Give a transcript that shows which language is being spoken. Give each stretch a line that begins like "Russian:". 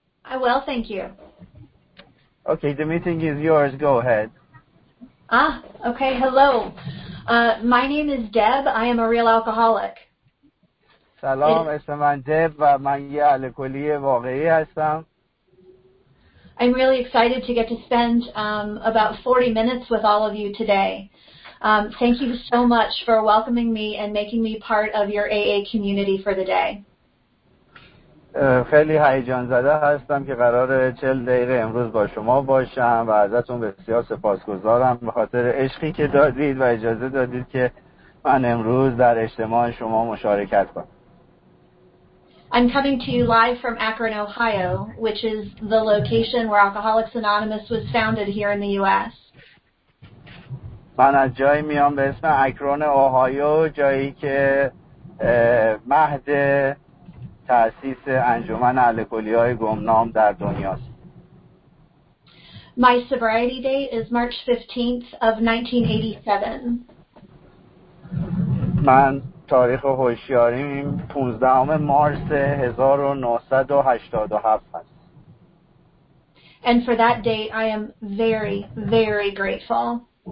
English: I will, thank you. Okay, the meeting is yours, go ahead. Ah, okay, hello. My name is Deb, I am a real alcoholic.
Persian: سلام، اسم من دب و من یه الکلی واقعی هستم.
English: I'm really excited to get to spend about 40 minutes with all of you today. Thank you so much for welcoming me and making me part of your AA community for the day.
Persian: خیلی هیجان زده هستم که قرار 40 دقیقه امروز با شما باشم و ازتون بسیار سپاسگزارم به خاطر عشقی که دادید و اجازه دادید که من امروز در اجتماع شما مشارکت کنم.
English: I'm coming to you live from Akron, Ohio, which is the location where Alcoholics Anonymous was founded here in the U.S.
Persian: من از جایی میام به اسم اکرون اوهایو، جایی که مهد تأسیس انجمن الکلی‌های گمنام در دنیا است.
English: My sobriety date is March 15th of 1987.
Persian: من تاریخ هوشیاری 15 مارس 1987 است.
English: And for that date I am very very grateful.